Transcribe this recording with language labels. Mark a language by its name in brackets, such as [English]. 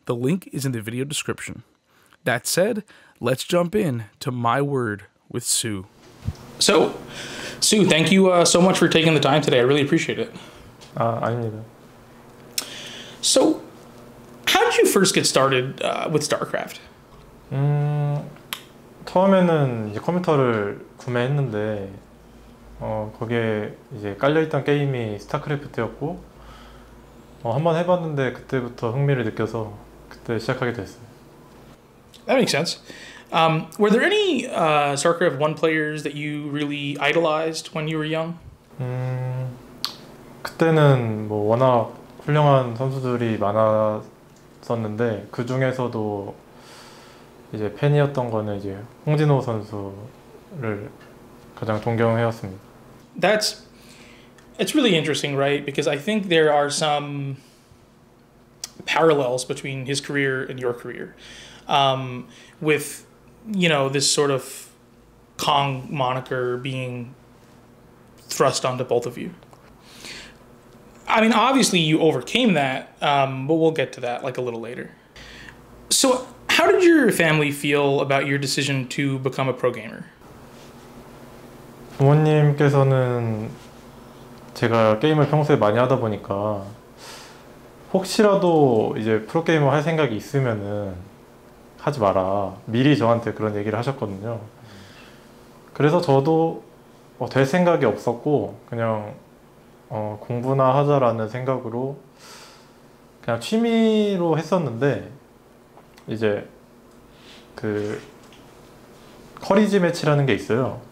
[English] The link is in the video description. That said, let's jump in to My Word with soO. So, soO, thank you so much for taking the time today. I really appreciate it. I need it. So, how did you first get started with StarCraft? [Korean] 처음에는 이제 컴퓨터를 구매했는데 거기에 이제 깔려있던 게임이 스타크래프트였고 한번 해봤는데 그때부터 흥미를 느껴서 그때 시작하게 됐어요. [English] That makes sense. Were there any StarCraft 1 players that you really idolized when you were young? [Korean] 그때는 뭐 워낙 훌륭한 선수들이 많았었는데 그 중에서도 이제 팬이었던 거는 이제 홍진호 선수를 가장 존경해왔습니다. [English] It's really interesting, right? Because I think there are some parallels between his career and your career. With, you know, this sort of Kong moniker being thrust onto both of you. I mean, obviously you overcame that, but we'll get to that like a little later. So how did your family feel about your decision to become a pro gamer? [Korean] 부모님께서는 제가 게임을 평소에 많이 하다 보니까 혹시라도 이제 프로게이머 할 생각이 있으면은 하지 마라. 미리 저한테 그런 얘기를 하셨거든요. 그래서 저도 될 생각이 없었고 그냥 공부나 하자라는 생각으로 그냥 취미로 했었는데 이제 그 커리지 매치라는 게 있어요.